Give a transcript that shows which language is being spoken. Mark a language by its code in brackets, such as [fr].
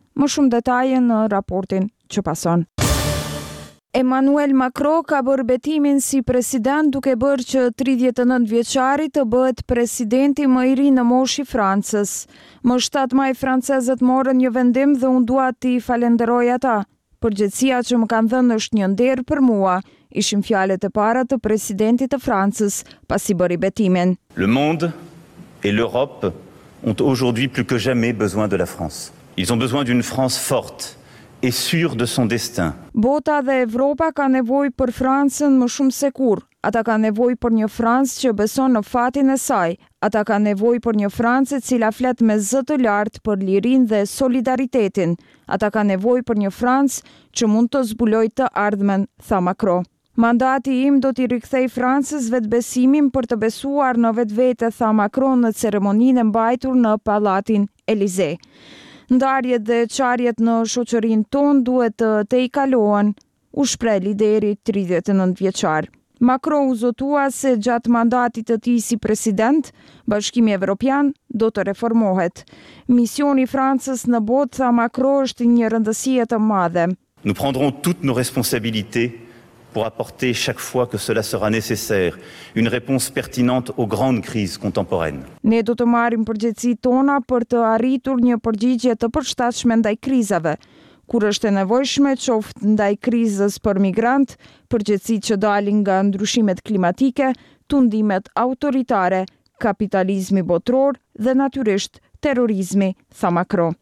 [sq] Më shumë detaje në raportin që pason. Emmanuel Macron ka bërë betimin si president duke bërë që 39-vjeçari të bëhet presidenti më i ri në moshë i Francës. Më 7 maj francezët morën një vendim dhe unë dua t'i falenderoj ata. Përgjegjësia që më kanë dhënë është një nderë për mua, ishin fjalet e para të presidentit të Francës pasi bëri betimin. [fr] Le monde et l'Europe ont aujourd'hui plus que jamais besoin de la France. Ils ont besoin d'une France forte. Et sûr de son destin. [sq] Bota dhe Evropa ka nevojë për Francën më shumë se kur. Ata ka nevojë për një Francë që beson në fatin e saj. Ata ka nevojë për një Francë e cila flet me zë të lartë për lirinë dhe solidaritetin. Ata ka nevojë për një Francë që mund të zbulojë të ardhmen, tha Macron. Mandati im do t'i rikthej Francës vetbesimin për të besuar në vetvete, tha Macron në ceremoninë mbajtur në Pallatin Elysée. Ndarjet dhe qarjet në shoqërinë tonë duhet të i kalohen, u shpreh lideri 39-vjeçar. Macron u zotua se gjatë mandatit të tij si president, Bashkimi Evropian do të reformohet. Misioni Francës në botë, tha Macron, është një rëndësie të madhe. [fr] Nous prendrons toutes nos responsabilités pour apporter chaque fois que cela sera nécessaire une réponse pertinente aux grandes crises contemporaines. [sq] Ne do të marrim përgjegjësit tona për të arritur një përgjigje të përshtatshme ndaj krizave. Kur është e nevojshme, qoftë ndaj krizës për migrant, përgjegjësit që dalin nga ndryshimet klimatike, tundimet autoritare, kapitalizmi botror dhe natyrisht terrorizmi, tha Macron.